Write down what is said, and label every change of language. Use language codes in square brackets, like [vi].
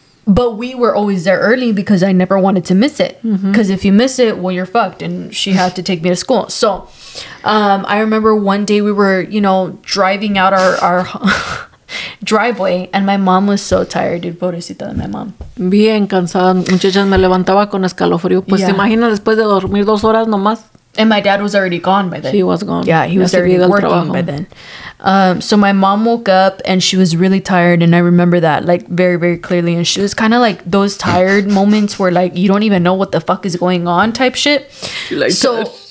[en] But we were always there early because I never wanted to miss it. Because if you miss it, well, you're fucked. And she had to take me to school. So I remember one day we were, you know, driving out our driveway, and my mom was so tired, dude. [es] Pobrecita de [en] my mom. [es] Bien cansada, muchachas, me levantaba con escalofrío. Pues te imaginas después de dormir dos horas nomás. [en] And my dad was already gone by then. He was gone. Yeah, he was already working by then. So my mom woke up and she was really tired, and I remember that like very, very clearly. And she was kind of like those tired moments where like you don't even know what the fuck is going on type shit. Like so,